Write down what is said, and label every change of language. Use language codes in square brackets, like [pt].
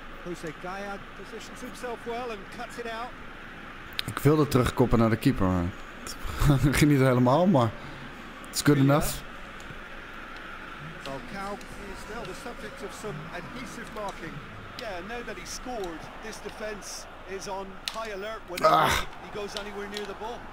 [en] Jose Gaya positions himself well and cuts it out. [nl] Ik wilde terugkoppen naar de keeper, maar het ging niet helemaal, maar [en] it's good enough. Falcao is now the subject of some adhesive marking. Yeah, now that he scored, this defense is on high alert whenever he goes anywhere near the ball.